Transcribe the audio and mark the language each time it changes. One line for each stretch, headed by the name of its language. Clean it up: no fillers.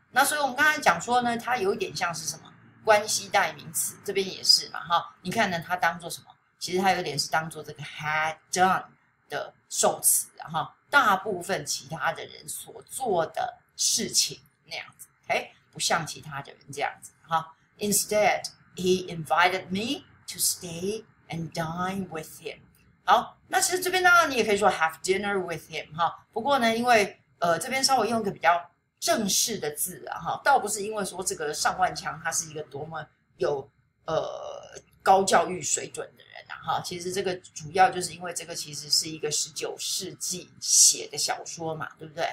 Chinese: 那所以我们刚才讲说呢，它有一点像是什么关系代名词，这边也是嘛，哈，你看呢，它当做什么？其实它有点是当做这个 had done 的受词，哈。大部分其他的人所做的事情那样子 ，OK， 不像其他的人这样子哈。
English: Instead, he invited me to stay and dine with him。
Chinese: 好，那其实这边当然你也可以说
English: have dinner with him
Chinese: 哈。不过呢，因为这边稍微用一个比较正式的字啊哈，倒不是因为说这个上万强他是一个多么有高教育水准的人。好，其实这个主要就是因为这个其实是一个19世纪写的小说嘛，对不对？